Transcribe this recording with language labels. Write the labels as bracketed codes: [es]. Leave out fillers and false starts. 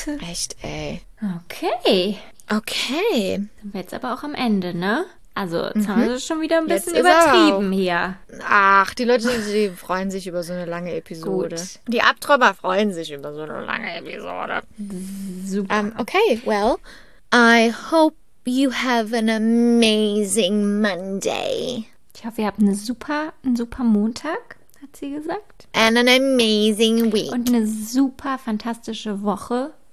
[de] Echt, ey. Okay. Okay. Dann wird's aber auch am Ende, ne? Also, jetzt haben wir schon wieder ein bisschen übertrieben hier. Ach, die Leute, die freuen sich über so eine lange Episode. Gut. Die Abtrümmer freuen sich über so eine lange Episode. Super. [en] Okay, well, I hope you have an amazing Monday. [de] Ich hoffe, ihr habt einen super Montag, hat sie gesagt. [en] And an amazing week. [de] Und eine super fantastische Woche.